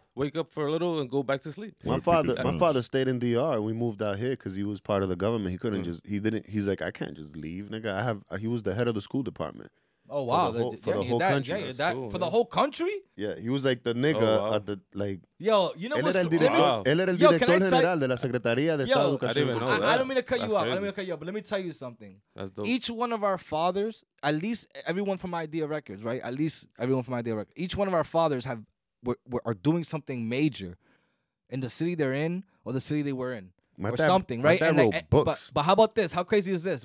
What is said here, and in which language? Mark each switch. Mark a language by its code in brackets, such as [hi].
[en] Wake up for a little and go back to sleep. My father stayed in DR. We moved out here because he was part of the government. He couldn't he's like, I can't just leave, nigga. He was the head of the school department. Oh, wow. For the whole country? Yeah, he was like the nigga at the, like... Yo, you know what's... [es] Él era el director general de la Secretaría de Estado de Educación. [en] I don't mean to cut you off, but let me tell you something. That's dope. Each one of our fathers, at least everyone from Idea Records, right? At least everyone from Idea Records. Each one of our fathers are doing something major in the city they're in or the city they were in. But how about this? How crazy is this?